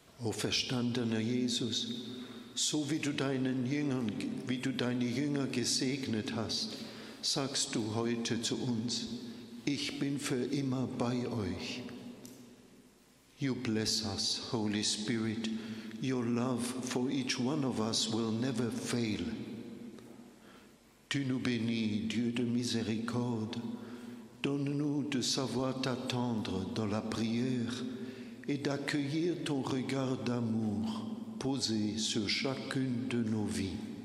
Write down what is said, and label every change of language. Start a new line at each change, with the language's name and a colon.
German: Verstandener Jesus, so wie du deine Jünger gesegnet hast, sagst du heute zu uns: Ich bin für immer bei euch.
English: You bless us, Holy Spirit. Your love for each one of us will never fail.
French: Tu nous bénis, Dieu de miséricorde. Donne-nous de savoir t'attendre dans la prière et d'accueillir ton regard d'amour posé sur chacune de nos vies.